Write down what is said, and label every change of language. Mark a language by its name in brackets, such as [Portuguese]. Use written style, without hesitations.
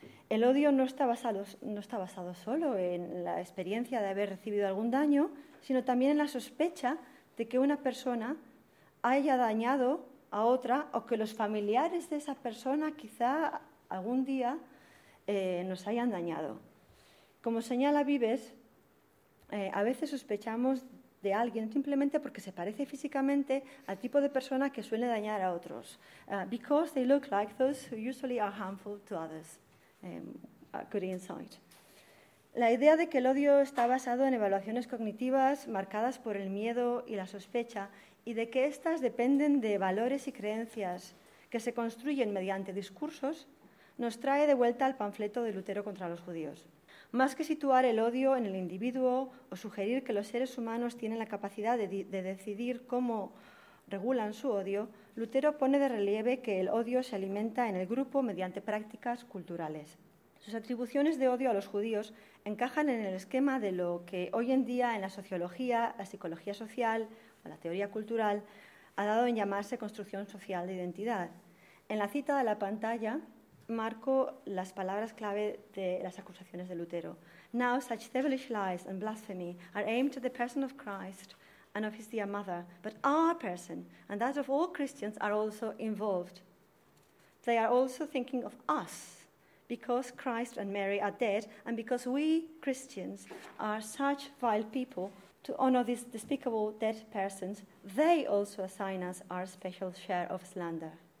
[Spanish] El odio no está basado solo en la experiencia de haber recibido algún daño, sino también en la sospecha de que una persona haya dañado a otra o que los familiares de esa persona quizá algún día nos hayan dañado. Como señala Vives, a veces sospechamos de alguien simplemente porque se parece físicamente al tipo de persona que suele dañar a otros. [English] Because they look like those who usually are harmful to others. A good insight. [Spanish] La idea de que el odio está basado en evaluaciones cognitivas marcadas por el miedo y la sospecha y de que éstas dependen de valores y creencias que se construyen mediante discursos, nos trae de vuelta al panfleto de Lutero contra los judíos. más que situar el odio en el individuo o sugerir que los seres humanos tienen la capacidad de decidir cómo regulan su odio, Lutero pone de relieve que el odio se alimenta en el grupo mediante prácticas culturales. Sus atribuciones de odio a los judíos encajan en el esquema de lo que hoy en día en la sociología, la psicología social o la teoría cultural ha dado en llamarse construcción social de identidad. En la cita de la pantalla marco las palabras clave de las acusaciones de Lutero. [English] Now such devilish lies and blasphemy are aimed at the person of Christ and of his dear mother, but our person and that of all Christians are also involved. They are also thinking of us, because Christ and Mary are dead, and because we Christians are such vile people, to honor these despicable dead persons, they also assign us our special share of slander.